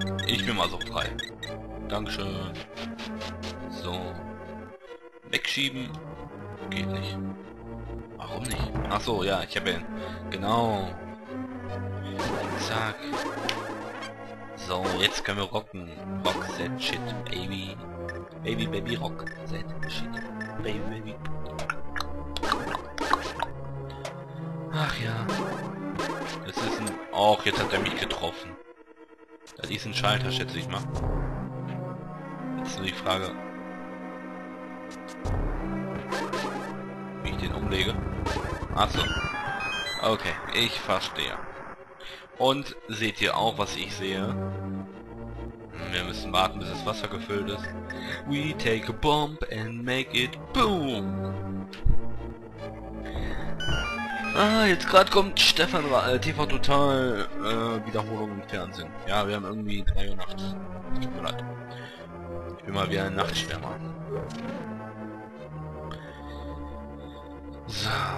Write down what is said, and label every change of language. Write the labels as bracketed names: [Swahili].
[German] Ich bin mal so frei. Dankeschön. So. Wegschieben. Geht nicht. Warum nicht? Ach so, ja, ich habe ihn. Genau. Zack. So, jetzt können wir rocken. [English] Rock that shit, baby. Baby, baby, rock that shit. Baby, baby. [German] Ach ja. Das ist ein... Och, jetzt hat er mich getroffen. Das ist ein Schalter, schätze ich mal. Jetzt nur die Frage... Wie ich den umlege. Achso. Okay, ich verstehe. Und seht ihr auch, was ich sehe? Wir müssen warten, bis das Wasser gefüllt ist. [English] We take a bomb and make it boom! [German] Ah, jetzt gerade kommt Stefan TV Total Wiederholung im Fernsehen. Ja, wir haben irgendwie 3 Uhr nachts. Tut mir leid. Ich bin mal wie ein Nachtschwärmer. So.